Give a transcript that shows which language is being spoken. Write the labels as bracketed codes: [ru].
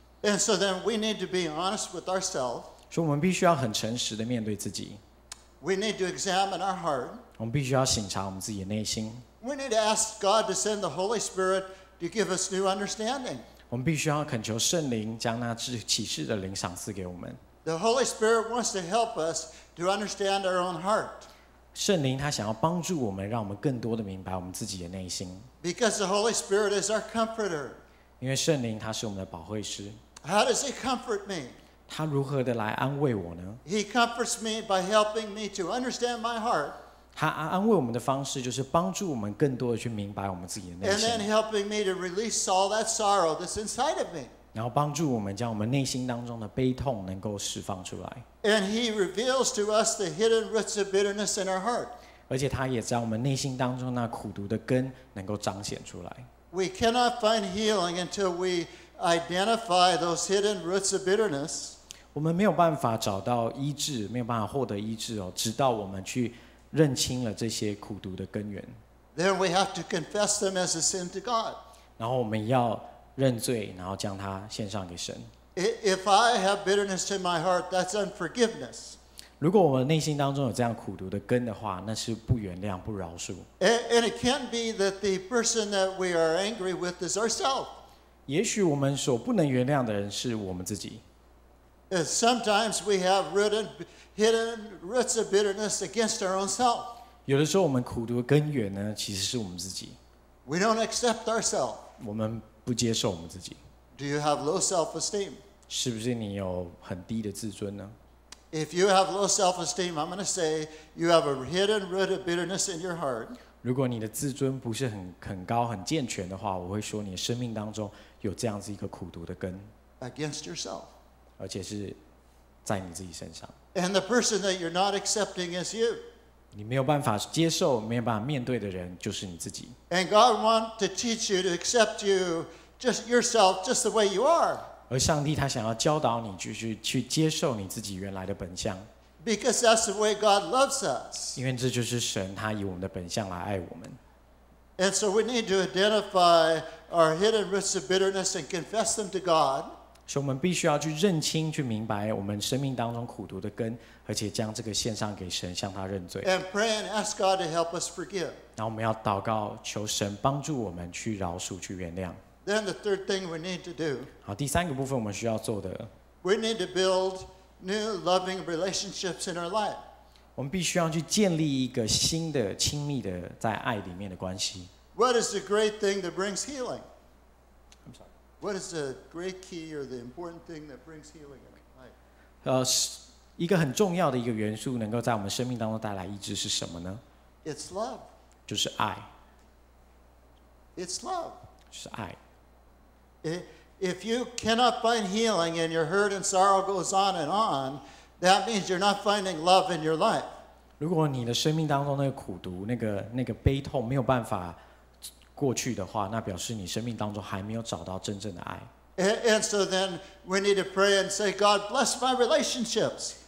[en] And so then we need to be honest with ourselves. [zh] 所以我们必须要很诚实的面对自己。 [en] We need to examine our heart. [zh] 我们必须要省察我们自己的内心。 [en] We need to ask God to send the Holy Spirit to give us new understanding. [zh] 我们必须要恳求圣灵将那启示的灵赏赐给我们。 [en] The Holy Spirit wants to help us to understand our own heart. [zh] 圣灵他想要帮助我们，让我们更多的明白我们自己的内心。 [en] Because the Holy Spirit is our comforter. [zh] 因为圣灵他是我们的保惠师。 [en] How does He comfort me? [zh] 他如何的来安慰我呢？ [en] He comforts me by helping me to understand my heart. [zh] 他安慰我们的方式就是帮助我们更多的去明白我们自己的内心。 [en] And then helping me to release all that sorrow that's inside of me. [zh] 然后帮助我们将我们内心当中的悲痛能够释放出来。 [en] And he reveals to us the hidden roots of bitterness in our heart. [zh] 而且他也将我们内心当中那苦毒的根能够彰显出来。 [en] We cannot find healing until we identify those hidden roots of bitterness. [zh] 我们没有办法找到医治，没有办法获得医治哦，直到我们去认清了这些苦毒的根源。 [en] Then we have to confess them as a sin to God. [zh] 然后我们要认罪，然后将它献上给神。 [en] If I have bitterness in my heart, that's unforgiveness. [zh] 如果我们内心当中有这样苦毒的根的话，那是不原谅、不饶恕。 [en] And it can be that the person that we are angry with is ourselves. [zh] 也许我们所不能原谅的人是我们自己。 [en] Sometimes we have hidden roots of bitterness against our own self. [zh] 有的时候我们苦毒的根源呢，其实是我们自己。 [en] We don't accept ourselves. [zh] 我们不接受我们自己。 [en] Do you have low self-esteem? [zh] 是不是你有很低的自尊呢？ [en] If you have low self-esteem, I'm going to say you have a hidden root of bitterness in your heart. [zh] 如果你的自尊不是很高、很健全的话，我会说你的生命当中有这样子一个苦毒的根。 [en] Against yourself. [zh] 而且是在你自己身上。 [en] And the person that you're not accepting is you. [zh] 你没有办法接受、没有办法面对的人就是你自己。 [en] And God wants to teach you to accept you just yourself, just the way you are. [zh] 而上帝他想要教导你，就是去接受你自己原来的本相。 [en] Because that's the way God loves us. [zh] 因为这就是神他以我们的本相来爱我们。 [en] And so we need to identify our hidden roots of bitterness and confess them to God. [zh] 所以我们必须要去认清、去明白我们生命当中苦毒的根，而且将这个献上给神，向他认罪。 [en] And pray and ask God to help us forgive. [zh] 然后我们要祷告，求神帮助我们去饶恕、去原谅。 [en] Then the third thing we need to do. [zh] 好，第三个部分我们需要做的。 [en] We need to build new loving relationships in our life. [zh] 我们必须要去建立一个新的亲密的在爱里面的关系。 [en] What is the great thing that brings healing? I'm sorry. What is the great key or the important thing that brings healing in life? [zh] 一个很重要的一个元素能够在我们生命当中带来医治是什么呢？ [en] It's love. [zh] 就是爱。 [en] It's love. [zh] 是爱。 [en] If you cannot find healing and your hurt and sorrow goes on and on, that means you're not finding love in your life. [zh] 如果你的生命当中那个苦毒、那个悲痛没有办法过去的话，那表示你生命当中还没有找到真正的爱。 [en] And so then we need to pray and say, God bless my relationships.